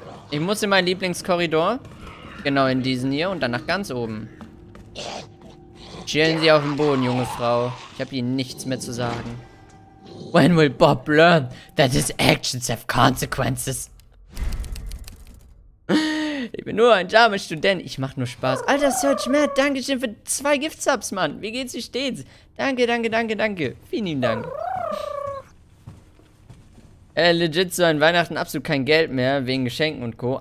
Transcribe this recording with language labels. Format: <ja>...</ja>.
<de>Ich muss in meinen Lieblingskorridor. Genau in diesen hier und dann nach ganz oben. Chillen Sie auf dem Boden, junge Frau. Ich habe Ihnen nichts mehr zu sagen.</de> <en>When will Bob learn that his actions have consequences?</en> <de>Ich bin nur ein charmer Student. Ich mache nur Spaß. Alter, Search Matt, danke schön für 2 Gift-Subs, Mann. Wie geht's dir stets? Danke. Vielen Dank. legit so an Weihnachten absolut kein Geld mehr, wegen Geschenken und Co.</de>